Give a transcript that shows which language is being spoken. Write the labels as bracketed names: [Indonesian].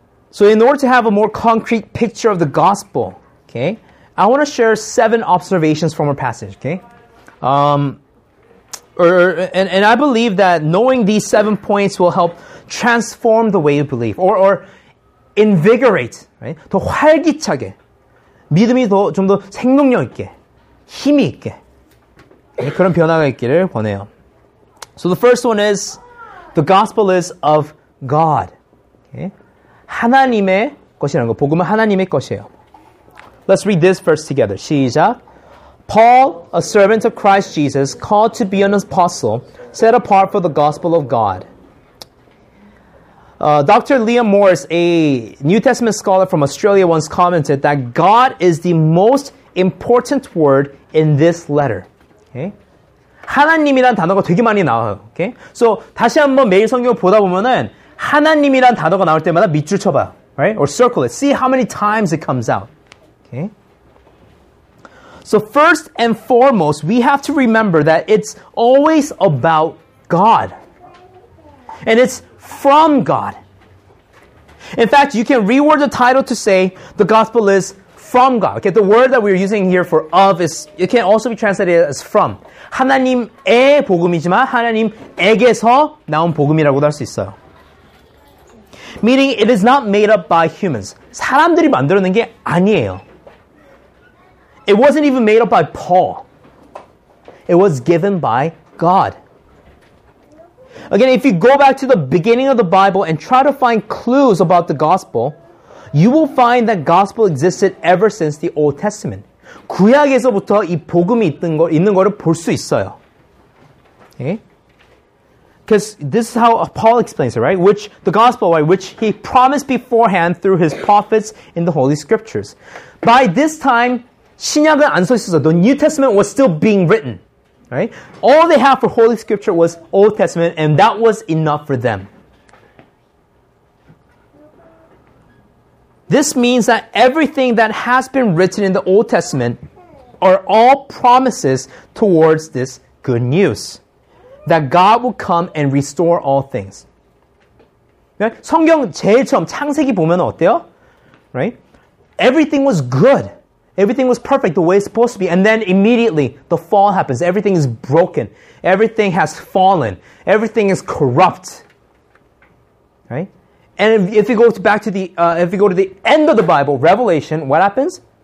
[English] So in order to have a more concrete picture of the gospel, okay, I want to share 7 observations from our passage, okay? And I believe that knowing these 7 points will help transform the way you believe, or invigorate, right? [Korean] 더 활기차게, 믿음이 더 좀 더 생명력 있게, 힘이 있게, 그런 변화가 있기를 원해요. [English] So the first one is, the gospel is of God. Okay? [Korean] 하나님의 것이라는 거, 복음은 하나님의 것이에요. [English] Let's read this verse together. 시작. Paul, a servant of Christ Jesus, called to be an apostle, set apart for the gospel of God. Dr. Liam Morris, a New Testament scholar from Australia, once commented that God is the most important word in this letter. Okay. [Korean] 하나님이란 단어가 되게 많이 나와요. [English] Okay? [Korean] So 다시 한번 매일 성경을 보다 보면은 하나님이란 단어가 나올 때마다 밑줄 쳐봐. [English] Right? Or circle it. See how many times it comes out. Okay? So first and foremost, we have to remember that it's always about God. And it's from God. In fact, you can reword the title to say the gospel is from God. Okay, the word that we're using here for of is, it can also be translated as from. [Korean] 하나님의 복음이지만 하나님에게서 나온 복음이라고도 할 수 있어요. [English] Meaning, it is not made up by humans. [Korean] 사람들이 만드는 게 아니에요. [English] It wasn't even made up by Paul. It was given by God. Again, if you go back to the beginning of the Bible and try to find clues about the gospel, you will find that gospel existed ever since the Old Testament. [Korean] 구약에서부터 이 복음이 있는 거를 볼 수 있어요. [English] Okay? Because this is how Paul explains it, right? Which the gospel, right? Which he promised beforehand through his prophets in the Holy Scriptures. By this time, [Korean] 신약은 안 써 있었어. [English] The New Testament was still being written, right? All they had for Holy Scripture was Old Testament, and that was enough for them. This means that everything that has been written in the Old Testament are all promises towards this good news. That God will come and restore all things. [Korean] 성경 제일 처음 창세기 보면 어때요? [English] Right? Everything was good. Everything was perfect the way it's supposed to be. And then immediately the fall happens. Everything is broken. Everything has fallen. Everything is corrupt. Right? And if you go back to the if you go to the end of the Bible, Revelation, what happens?